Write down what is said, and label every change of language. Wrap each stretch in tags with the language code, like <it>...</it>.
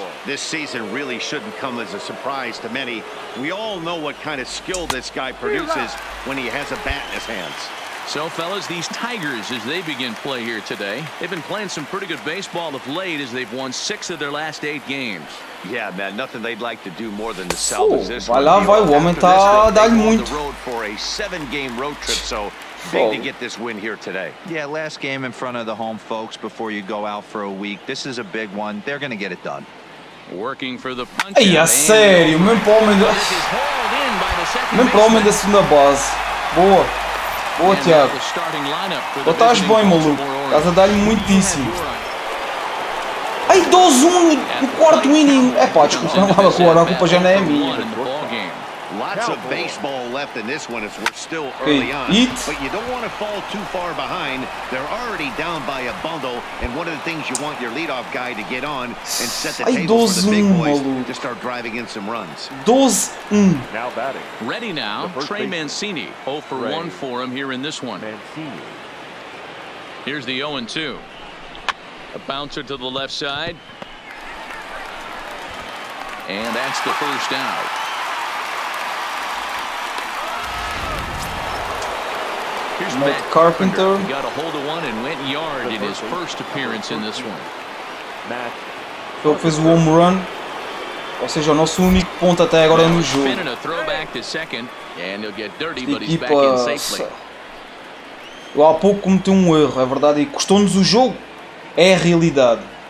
<en>This season really shouldn't come as a surprise to many. We all know what kind of skill this guy produces when he has a bat in his hands. So, fellas, these Tigers, as they begin play here today, they've been playing some pretty good baseball of late as they've won six of their last eight games. Yeah, man, nothing they'd like to do more than to salvage this.</en> <pt>Vai lá, vai, o homem tá dando muito.</pt> <en>The road for a seven-game road trip, so big to get this win here today. Yeah, last game in front of the home folks before you go out for a week. This is a big one. They're going to get it done. Working for the punch.</en> <pt>Ei, a sério, mesmo pro homem da segunda base. Boa. Boa, Thiago. Tu estás bem, maluco. Estás a dar-lhe muitíssimo. Ai, 2-1 no quarto inning. É pá, desculpa, não estava a colar. A culpa já não é minha.</pt> <en>Lots of baseball left in this one as we're still early on. Eat. But you don't want to fall too far behind. They're already down by a bundle. And one of the things you want your leadoff guy to get on and set the table for the big boys to start driving in some runs. 12-1. Now batting. Ready now, Trey Mancini. 0-1 for him here in this one. Mancini. Here's the 0-2. A bouncer to the left side. And that's the first out. Matt Carpenter got a hold of one and went yard in his first appearance in this one.</en> <pt>Matt fez o home run, ou seja, o nosso único ponto até agora no jogo. Equipa, eu há pouco cometi um erro, é verdade, e custou-nos o jogo, é a realidade.</pt>